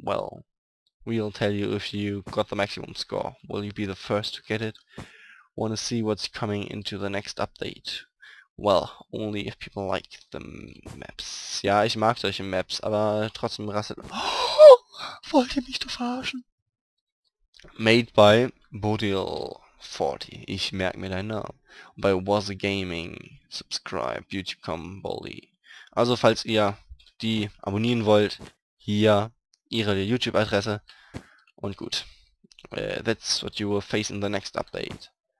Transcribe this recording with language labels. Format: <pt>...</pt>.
<en>Well, we'll tell you if you got the maximum score. Will you be the first to get it? Wanna see what's coming into the next update? Well, only if people like the maps.</en> <de>Ja, ich mag solche Maps, aber trotzdem rasselt... Oh, wollt ihr mich doch verarschen?</de> <en>Made by Bodil.</en> <de>40. Ich merke mir deinen Namen. Bei Was a Gaming. Subscribe. YouTube.com. Bully. Also, falls ihr die abonnieren wollt, hier ihre YouTube-Adresse. Und gut.</de> <en>That's what you will face in the next update.</en>